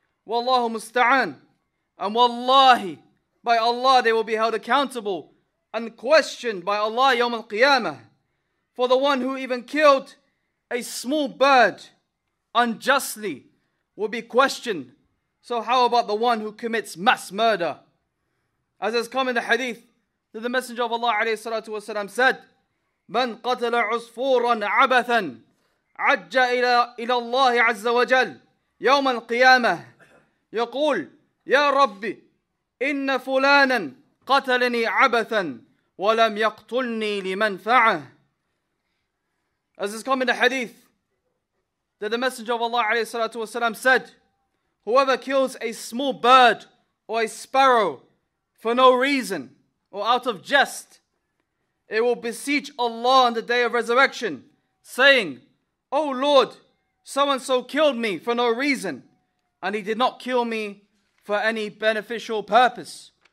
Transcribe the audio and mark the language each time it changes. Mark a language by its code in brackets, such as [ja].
[en] Wallahu musta'an. And wallahi, by Allah, they will be held accountable and questioned by Allah yawm al-qiyamah for the one who even killed a small bird unjustly will be questioned. So how about the one who commits mass murder? As has come in the hadith that the Messenger of Allah عليه [ar] الصلاة والسلام said, من قتل عصفورا عبثا عج إلى الله عز وجل يوم القيامة يقول يا ربي إن فلانا قتلني عبثا ولم يقتلني لمنفعه. [en] As has come in the hadith that the Messenger of Allah عليه الصلاة والسلام said, whoever kills a small bird or a sparrow for no reason or out of jest, it will beseech Allah on the day of resurrection, saying, oh Lord, so-and-so killed me for no reason, and he did not kill me for any beneficial purpose.